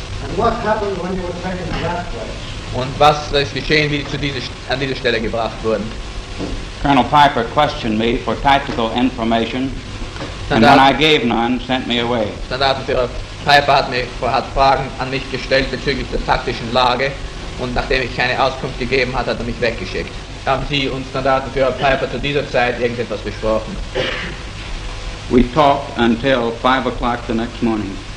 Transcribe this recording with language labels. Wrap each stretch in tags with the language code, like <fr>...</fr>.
<en>And what happened when you were taken to that place?</en> <de>Und was ist geschehen, wie zu diese, an diese Stelle gebracht wurden?</de> <en>Colonel Piper questioned me for tactical information, and when I gave none, sent me away.</en> <de>Standartenführer Piper hat Fragen an mich gestellt bezüglich der taktischen Lage, und nachdem ich keine Auskunft gegeben hat, hat mich weggeschickt. Haben Sie und Standartenführer Piper zu dieser Zeit irgendetwas besprochen?</de> <en>We talked until 5 o'clock the next morning.</en>